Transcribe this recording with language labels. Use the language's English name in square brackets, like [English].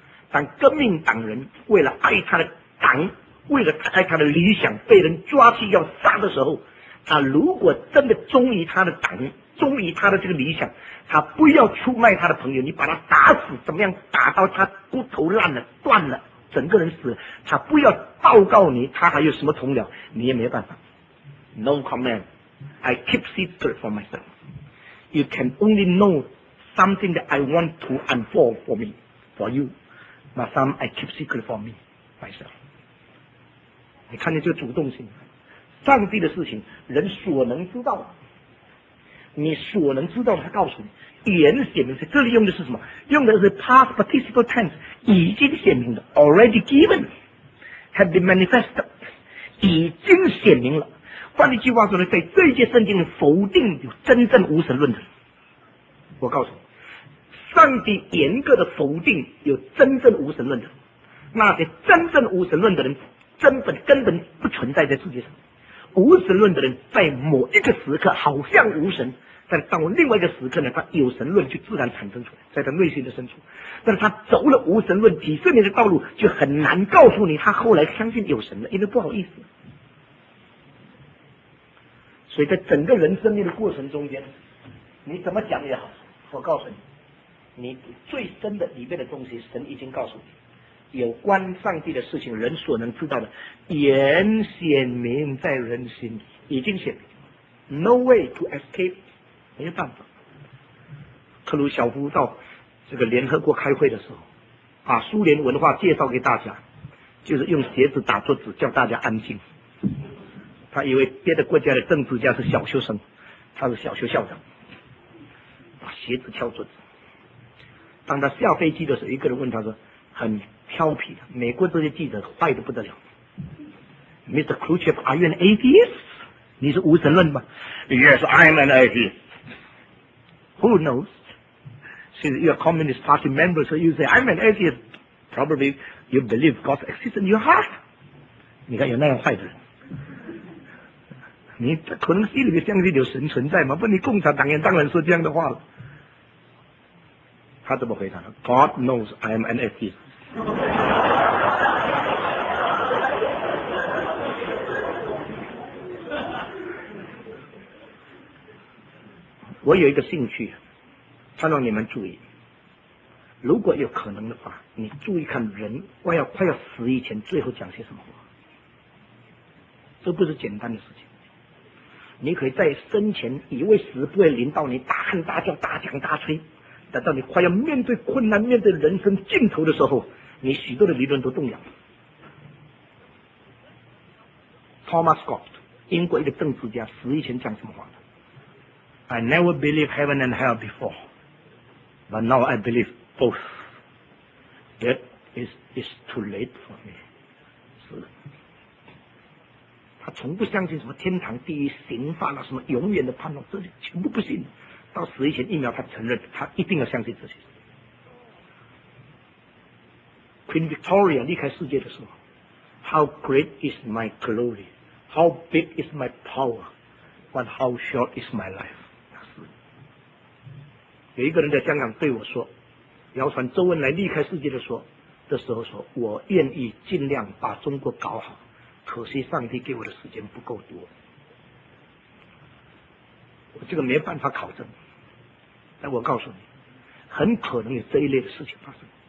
[Chinese] 但革命党人为了爱他的党，为了爱他的理想，被人抓去要杀的时候，他如果真的忠于他的党，忠于他的这个理想，他不要出卖他的朋友，你把他打死，怎么样打到他骨头烂了断了整个人死了，他不要报告你他还有什么同僚，你也没办法。 [English] No comment, I keep secret for myself. You can only know something that I want to unfold for me, for you, but some I keep secret for me myself. [Chinese] 你看见这个主动性，上帝的事情人所能知道的，你所能知道的，他告诉你，语言显明是，这里用的是什么？用的是 [English] past participle tense， [Chinese] 已经显明的 [English] ，already given， have been manifested， [Chinese] 已经显明了。换一句话说呢，在这些圣经里否定有真正无神论的。我告诉你，上帝严格的否定有真正无神论的，那些真正无神论的人，根本不存在在世界上。无神论的人在某一个时刻好像无神，但到另外一个时刻呢，他有神论就自然产生出来，在他内心的深处。但是他走了无神论几十年的道路，就很难告诉你他后来相信有神了，因为不好意思。所以在整个人生命的过程中间，你怎么讲也好，我告诉你，你最深的里面的东西，神已经告诉你。有关上帝的事情，人所能知道的，言显明在人心，已经显明。 [English] No way to escape， [Chinese] 没有办法。克鲁晓夫到这个联合国开会的时候，把苏联文化介绍给大家，就是用鞋子打桌子，叫大家安静。他以为别的国家的政治家是小学生，他是小学校长，把鞋子敲桌子。当他下飞机的时候，一个人问他说：“很。” 调皮的美国这些记者坏得不得了。 [English] Mr. Khrushchev, are you an atheist? [Chinese] 你是无神论吗？ [English] Yes, I'm an atheist. Who knows? Since you're a communist party member, so you say I'm an atheist. Probably you believe God exists in your heart. [Chinese] 你看有那样坏的人，你可能心里面相信有神存在吗？不，你共产党员当然说这样的话了。他怎么回答呢？ [English] God knows I'm an atheist. [Chinese] 我有一个兴趣，他让你们注意，如果有可能的话，你注意看人快要死以前最后讲些什么话。这不是简单的事情，你可以在生前以为死不会临到你，大喊大叫大讲大吹，等到你快要面对困难，面对人生尽头的时候，你许多的理论都动摇了。 Thomas Scott 英国一个政治家死以前讲什么话呢？ [English] I never believed heaven and hell before, but now I believe both. That is too late for me. [Chinese] 是的，他从不相信什么天堂地狱刑罚了什么永远的盼望，这里全部不信。到死以前一秒他承认他一定要相信这些。 [English] Queen Victoria [Chinese] 离开世界的时候， [English] How great is my glory, how big is my power, but how short is my life. [Chinese] 有一个人在香港对我说，谣传周恩来离开世界的时候说，我愿意尽量把中国搞好，可惜上帝给我的时间不够多。我这个没办法考证，但我告诉你，很可能有这一类的事情发生。